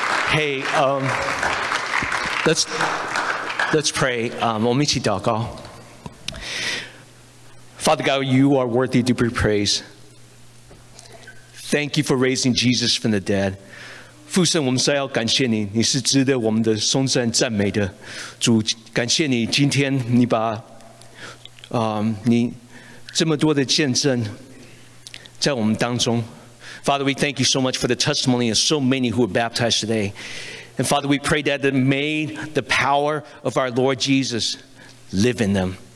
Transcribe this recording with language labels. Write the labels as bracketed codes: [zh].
[en] Hey, let's pray. Omichi Daka. Father God, you are worthy to be praised. Thank you for raising Jesus from the dead. [zh] 父神，我们是要感谢你，你是值得我们的颂赞赞美的。主，感谢你今天你把你这么多的见证在我们当中。 [en] Father, we thank you so much for the testimony of so many who are baptized today. And Father, we pray that may the power of our Lord Jesus live in them.